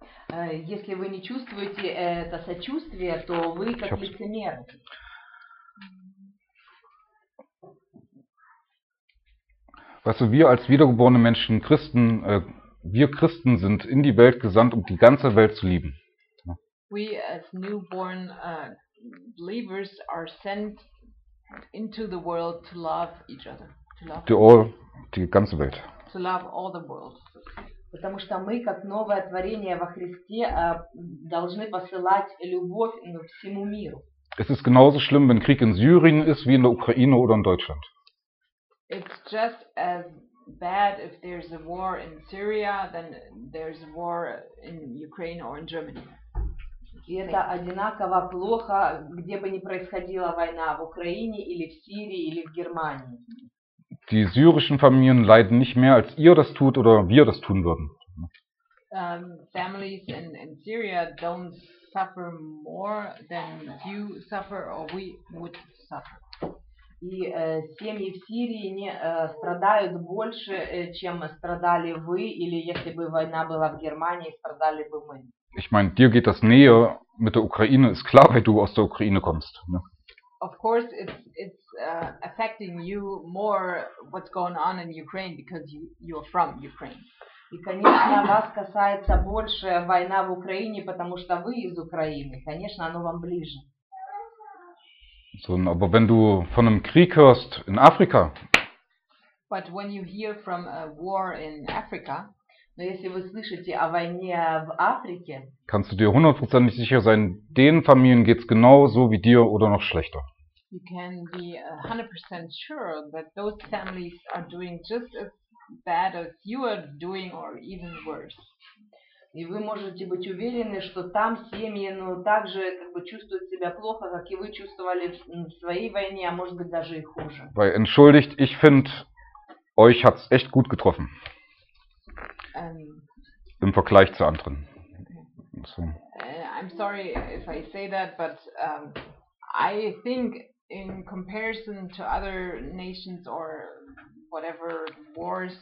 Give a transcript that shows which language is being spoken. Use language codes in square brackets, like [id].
[ru] Если вы не чувствуете это сочувствие, то вы как лицемер. [de] Weißt du, wir als wiedergeborene Menschen, Christen, wir Christen sind in die Welt gesandt, um die ganze Welt zu lieben. [en] We as newborn believers are sent into the world to love each other. [de] Die ganze Welt. [en] To love all the world. [ru] Потому что мы, как новое творение во Христе, должны посылать любовь, ну, всему миру. [de] Es ist genauso schlimm, wenn Krieg in Syrien ist, wie in der Ukraine oder in Deutschland. [en] It's just as bad if there's a war in Syria than there's a war in Ukraine or in Germany. [ru] И это одинаково плохо, где бы ни происходила война, в Украине или в Сирии или в Германии. [de] Die syrischen Familien leiden nicht mehr, als ihr das tut oder wir das tun würden. [en] Families in Syria don't suffer more than you suffer or we would suffer. [ru] И семьи в Сирии не страдают больше, чем страдали вы, или если бы война была в Германии, страдали бы мы. [de] Ich meine, dir geht das näher mit der Ukraine, ist klar, weil du aus der Ukraine kommst. Ne? [en] Of course, it's affecting you more what's going on in Ukraine because you're from Ukraine. [ru] И, конечно, вас касается больше война в Украине, потому что вы из Украины. Конечно, оно вам ближе. [de] So, aber wenn du von einem Krieg hörst in Afrika. [en] But when you hear from a war in Africa. [ru] Но если вы слышите о войне в Африке. [de] Kannst du dir hundertprozentig sicher sein, den Familien geht's genauso wie dir oder noch schlechter. [en] You can be 100% sure that those families are doing just as bad as you are doing or even worse. [ru] И вы можете быть уверены, что там семьи, ну, также, как бы, чувствуют себя плохо, как и вы чувствовали в своей войне, а может быть даже и хуже. [de] Weil, entschuldigt, ich finde, euch hat's echt gut getroffen. Im Vergleich zu anderen. So. [en] I'm sorry if I say that, but I think in comparison to other nations or whatever wars...